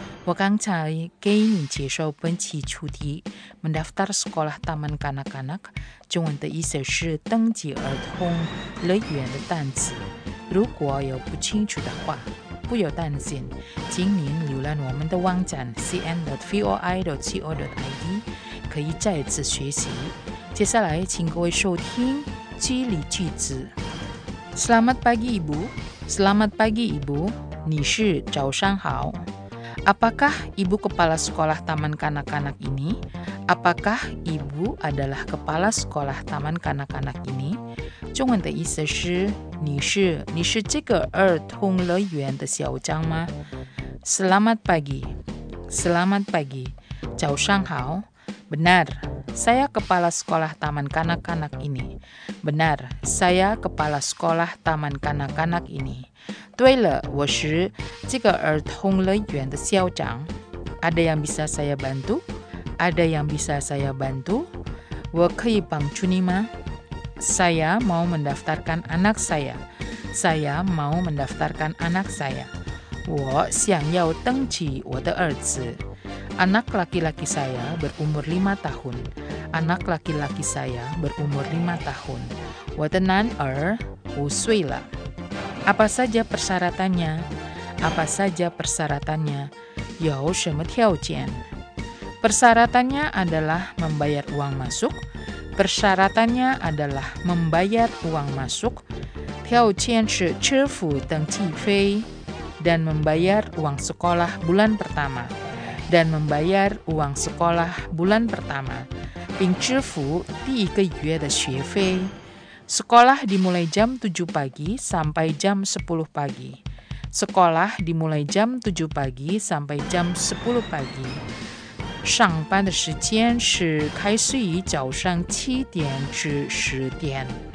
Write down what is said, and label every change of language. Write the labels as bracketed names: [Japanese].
[Chinese] 我刚才给您介绍本期主题 ， [Indonesian] mendaftar sekolah taman kanak-kanak， [Chinese] 中文的意思是登记儿童乐园的单词。如果有不清楚的话，不要担心，请您浏览我们的网站 cn.voi.co.id， 可以再次学习。接下来，请各位收听激励句子。 [Indonesian] Selamat pagi ibu, selamat pagi ibu, [Chinese] 你是早上好。 [Indonesian] Apakah ibu kepala sekolah taman kanak-kanak ini? Apakah ibu adalah kepala sekolah taman kanak-kanak ini? [Chinese] 中文的意思是你是这个儿童乐园的校长吗？ [Indonesian] Selamat pagi, selamat pagi, [Chinese] 早上好。 [Indonesian] Benar, saya kepala sekolah taman kanak-kanak ini. Benar, saya kepala sekolah taman kanak-kanak ini. [Chinese] 对了，我是这个儿童乐园的校长。 [Indonesian] Ada yang bisa saya bantu? Ada yang bisa saya bantu? [Chinese] 我可以帮助你吗？ [Indonesian] Saya mau mendaftarkan anak saya. Saya mau mendaftarkan anak saya. [Chinese] 我想要登记我的儿子。 [Indonesian] Anak laki-laki saya berumur 5 tahun. Anak laki-laki saya berumur 5 tahun. [Chinese] 我的男儿五岁了。 [Indonesian] Apa saja persyaratannya? Apa saja persyaratannya? [Chinese] 有什么条件? [Indonesian] Persyaratannya adalah membayar uang masuk. Persyaratannya adalah membayar uang masuk. [Chinese] 条件是支付登记费 [Indonesian] dan membayar uang sekolah bulan pertama. Dan membayar uang sekolah bulan pertama. [Chinese] 并支付第一个月的学费。 [Indonesian] Sekolah dimulai jam 7 pagi sampai jam 10 pagi. Sekolah dimulai jam 7 pagi sampai jam 10 pagi. [Chinese] 上班的时间是开始于早上7点至10点。